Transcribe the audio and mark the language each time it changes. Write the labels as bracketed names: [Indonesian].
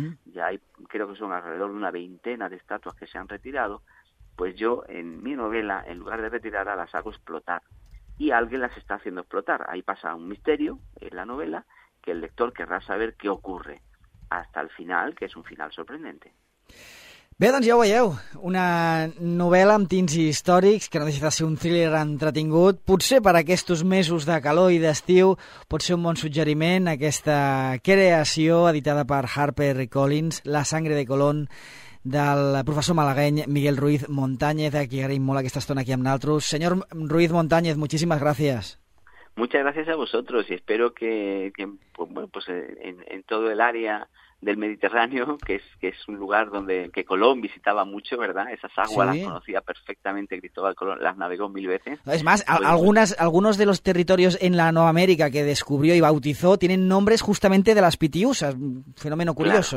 [Spanish] Ya hay, creo que son alrededor de una veintena de estatuas que se han retirado. Pues yo, en mi novela, en lugar de retirarlas, las hago explotar. Y alguien las está haciendo explotar. Ahí pasa un misterio en la novela que el lector querrá saber qué ocurre hasta el final, que és un final sorprendente. [Catalan] Bé, doncs ja ho veieu, una novel·la amb tints històrics que no deixa de ser un thriller entretingut. Potser per aquests mesos de calor i d'estiu pot ser un bon suggeriment aquesta creació editada per Harper Collins, La sangre de Colón, del professor malagueny Miguel Ruiz Montáñez, a qui agraïm molt aquesta estona aquí amb nosaltres. Senyor Ruiz Montáñez, moltíssimes gràcies. [Spanish] Muchas gracias a vosotros y espero que pues, bueno, pues en todo el área del Mediterráneo, que es un lugar que Colón visitaba mucho, ¿verdad? Esas aguas las conocía perfectamente Cristóbal Colón, las navegó mil veces. Es más, algunos de los territorios en la Nueva América que descubrió y bautizó tienen nombres justamente de las Pitiusas, un fenómeno curioso.